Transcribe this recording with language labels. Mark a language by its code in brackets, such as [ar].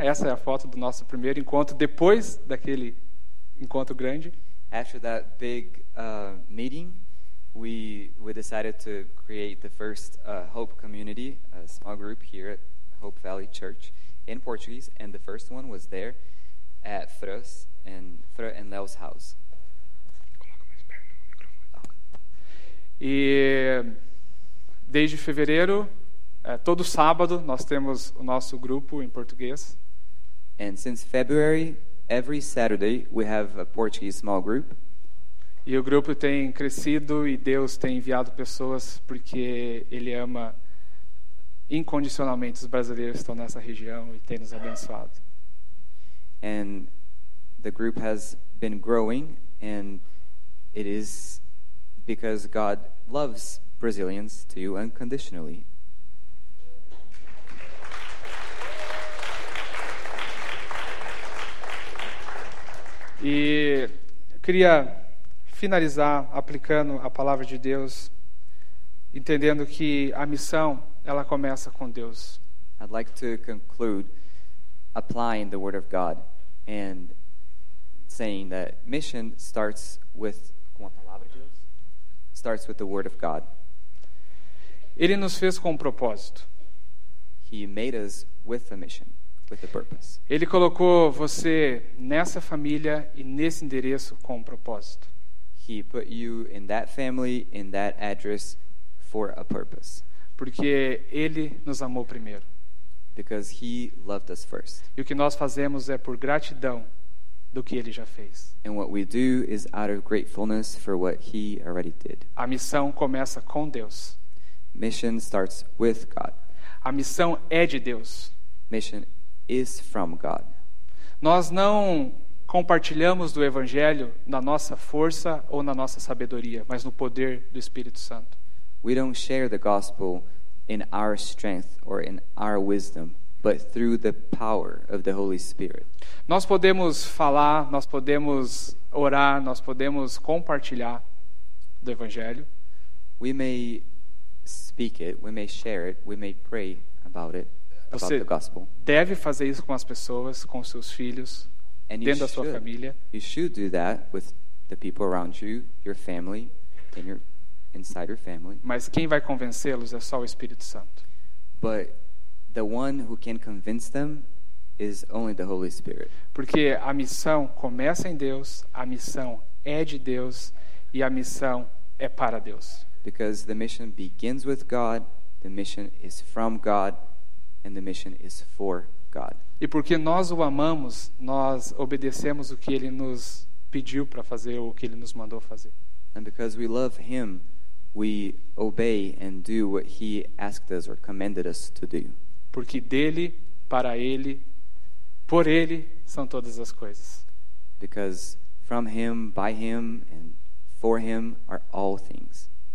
[pt] Essa é a foto do nosso primeiro encontro depois daquele encontro grande. [en] After that big meeting, we decided to create the first Hope Community, a small group here at Hope Valley Church in Portuguese, and the first one was there at Fran and Léo's house. [pt] E desde fevereiro, todo sábado, nós temos o nosso grupo em português. [en] And since February, every Saturday, we have a Portuguese small group. [pt] E o grupo tem crescido e Deus tem enviado pessoas porque Ele ama incondicionalmente os brasileiros que estão nessa região e tem nos abençoado. [en] And the group has been growing and it is because God loves Brazilians to you unconditionally. [pt] E queria finalizar aplicando a palavra de Deus, entendendo que a missão ela começa com Deus. [en] I'd like to conclude applying the word of God and saying that mission starts with [pt] com a palavra de Deus. [en] Starts with the word of God. [pt] Ele nos fez com um propósito. [en] He made us with a mission, with a purpose. [pt] Ele colocou você nessa família e nesse endereço com um propósito. [en] He put you in that family, in that address, for a purpose. [pt] Porque ele nos amou primeiro. [en] Because he loved us first. [pt] E o que nós fazemos é por gratidão do que ele já fez. [en] And what we do is out of gratefulness for what he already did. [pt] A missão começa com Deus. [en] Mission starts with God. [pt] A missão é de Deus. [en] Mission is from God. [pt] Nós não compartilhamos do evangelho na nossa força ou na nossa sabedoria, mas no poder do Espírito Santo. [en] We don't share the gospel in our strength or in our wisdom, but through the power of the Holy Spirit. [pt] Nós podemos falar, nós podemos orar, nós podemos compartilhar do evangelho. [en] We may speak it, we may share it, we may pray about it, about [pt] Você [en] the gospel. [pt] Deve fazer isso com as pessoas, com seus filhos, [en] and [pt] dentro [en] you [pt] da [en] should. [pt] Sua família. [en] You should do that with the people around you, your family, and your inside your family. [pt] Mas quem vai convencê-los é só o Espírito Santo. [en] But the one who can convince them is only the Holy Spirit. [pt] Porque a missão começa em Deus, a missão é de Deus e a missão é para Deus. [en] Because the mission begins with God, the mission is from God, and the mission is for God. [pt] E porque nós o amamos, nós obedecemos o que ele nos pediu para fazer ou o que ele nos mandou fazer. [en] And because we love him, we obey and do what he asked us or commanded us to do. [pt] Porque dele, para ele, por ele são todas as coisas. [en] Because from him, by him, and for him are all things.